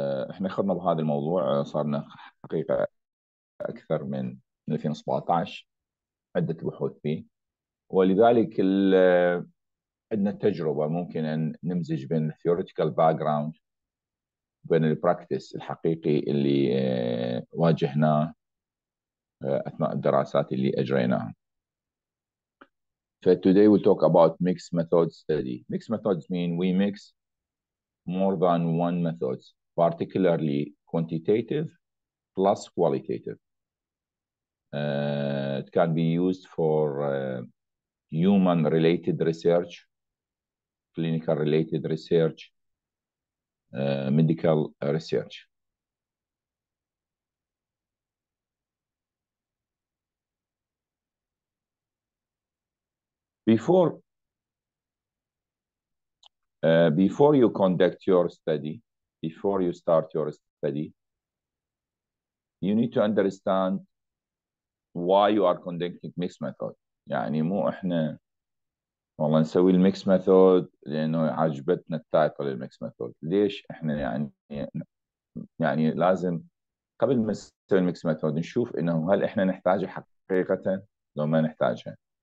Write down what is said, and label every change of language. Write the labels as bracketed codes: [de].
[ar] احنا خضنا بهذا الموضوع، صارنا حقيقة أكثر من 2017 عدة بحوث فيه، ولذلك عندنا تجربة ممكن أن نمزج بين [en] theoretical background [ar] وبين البراكتس الحقيقي اللي واجهناه أثناء الدراسات اللي أجريناها. [en] فtoday we'll talk about mixed method study. Mixed methods mean we mix more than one methods, particularly quantitative plus qualitative. It can be used for human-related research, clinical-related research, medical research. Before you conduct your study, before you start your study, you need to understand why you are conducting mixed method. [ar] يعني مو احنا والله نسوي الميكس ميثود لانه عجبتنا التايتل الميكس ميثود، ليش احنا يعني لازم قبل ما نسوي الميكس ميثود نشوف انه هل احنا نحتاجها حقيقة لو ما نحتاجها.